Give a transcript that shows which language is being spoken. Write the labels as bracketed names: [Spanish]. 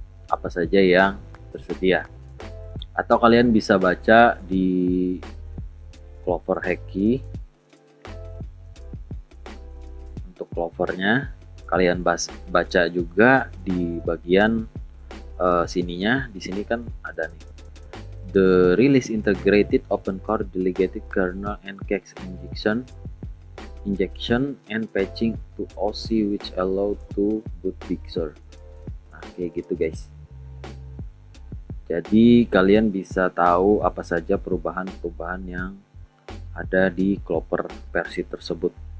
[Indonesian] Apa saja yang tersedia. Atau kalian bisa baca di Clover Hacky. Untuk Clover-nya, kalian baca juga di bagian sininya. Di sini kan ada nih. [English] The release integrated open core delegated kernel and KEX injection and patching to OC which allow to boot fixer. [Indonesian] Nah, kayak gitu guys. Jadi kalian bisa tahu apa saja perubahan-perubahan yang ada di Clover versi tersebut.